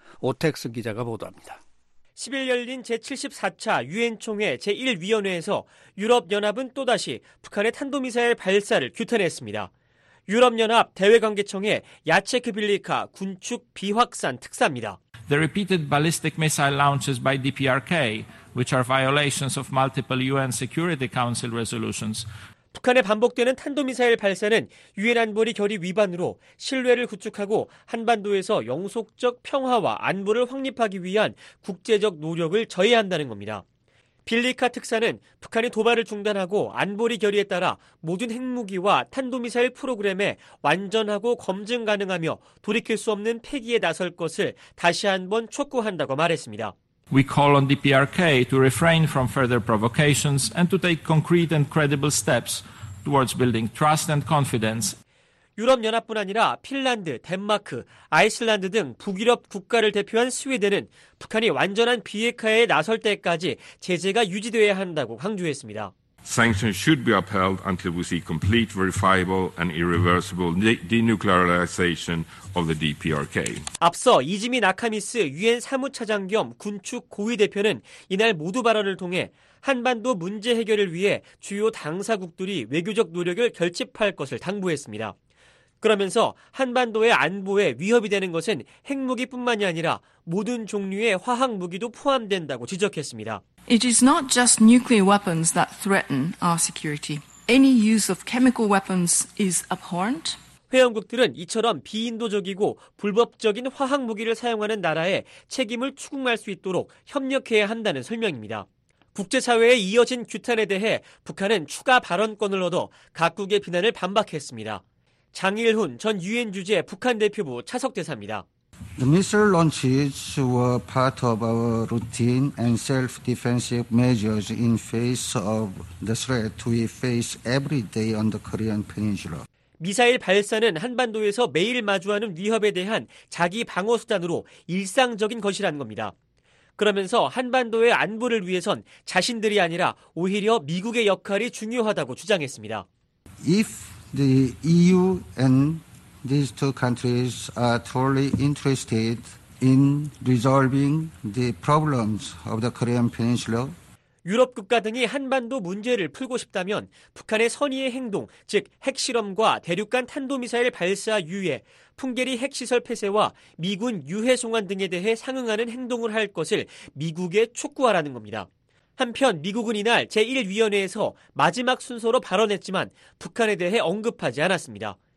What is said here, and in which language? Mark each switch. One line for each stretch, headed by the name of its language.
Korean: 오텍스 기자가 보도합니다. 10일 열린 제74차 유엔총회 제1위원회에서 유럽연합은 또다시 북한의 탄도미사일 발사를 규탄했습니다. 유럽연합 대외관계청의 야체크 빌리카 군축 비확산 특사입니다.
English: The repeated ballistic missile launches by DPRK, which are violations of multiple UN Security Council resolutions.
Korean: 북한의 반복되는 탄도미사일 발사는 유엔 안보리 결의 위반으로 신뢰를 구축하고 한반도에서 영속적 평화와 안보를 확립하기 위한 국제적 노력을 저해한다는 겁니다. 빌리카 특사는 북한이 도발을 중단하고 안보리 결의에 따라 모든 핵무기와 탄도미사일 프로그램에 완전하고 검증 가능하며 돌이킬 수 없는 폐기에 나설 것을 다시 한번 촉구한다고 말했습니다.
English: We call on DPRK to refrain from further provocations and to take concrete and credible steps towards building trust and confidence.
Korean: 유럽연합뿐 아니라 핀란드, 덴마크, 아이슬란드 등 북유럽 국가를 대표한 스웨덴은 북한이 완전한 비핵화에 나설 때까지 제재가 유지되어야 한다고 강조했습니다.
English: Sanctions should be upheld until we see complete, verifiable and irreversible denuclearization of the DPRK.
Korean: 앞서 이지미 나카미스 유엔 사무차장 겸 군축 고위 대표는 이날 모두 발언을 통해 한반도 문제 해결을 위해 주요 당사국들이 외교적 노력을 결집할 것을 당부했습니다. 그러면서 한반도의 안보에 위협이 되는 것은 핵무기뿐만이 아니라 모든 종류의 화학 무기도 포함된다고 지적했습니다.
English: It is not just nuclear weapons that threaten our security. Any use of chemical weapons is abhorrent.
Korean: 회원국들은 이처럼 비인도적이고 불법적인 화학 무기를 사용하는 나라에 책임을 추궁할 수 있도록 협력해야 한다는 설명입니다. 국제사회에 이어진 규탄에 대해 북한은 추가 발언권을 얻어 각국의 비난을 반박했습니다. 장일훈 전 유엔 주재 북한 대표부 차석 대사입니다.
English: The missile launches were part of our routine and self-defensive measures in face of the threat we face every day on the Korean Peninsula.
Korean: 미사일 발사는 한반도에서 매일 마주하는 위협에 대한 자기 방어 수단으로 일상적인 것이라는 겁니다. 그러면서 한반도의 안보를 위해선 자신들이 아니라 오히려 미국의 역할이 중요하다고 주장했습니다.
English: If the EU and these two countries are totally interested in resolving the problems of the Korean Peninsula.
Korean: 유럽 국가 등이 한반도 문제를 풀고 싶다면 북한의 선의의 행동, 즉 핵실험과 대륙간 탄도미사일 발사 유예, 풍계리 핵시설 폐쇄와 미군 유해 송환 등에 대해 상응하는 행동을 할 것을 미국에 촉구하라는 겁니다. 한편 미국은 이날 제1위원회에서 마지막 순서로 발언했지만 북한에 대해 언급하지 않았습니다.